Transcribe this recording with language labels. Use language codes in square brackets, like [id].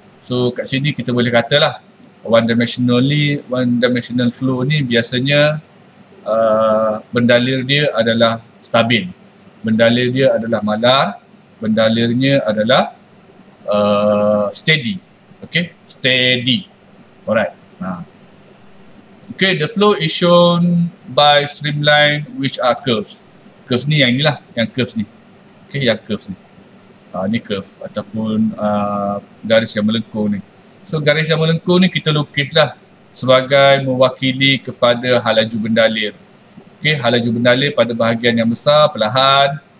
[ms] So kat sini kita boleh katalah [en] one dimensional flow [ms] ni biasanya bendalir dia adalah stabil. Bendalir dia adalah malar, bendalirnya adalah steady. [en] Okay, steady. Alright. Okay, the flow is shown by streamline which are curves. [ms] Curves ni yang inilah, yang curves ni. Okay, yang curves ni. Ni curve ataupun garis yang melengkung ni. So, garis yang melengkung ni kita lukislah sebagai mewakili kepada halaju bendalir. Okay, halaju bendalir pada bahagian yang besar, perlahan.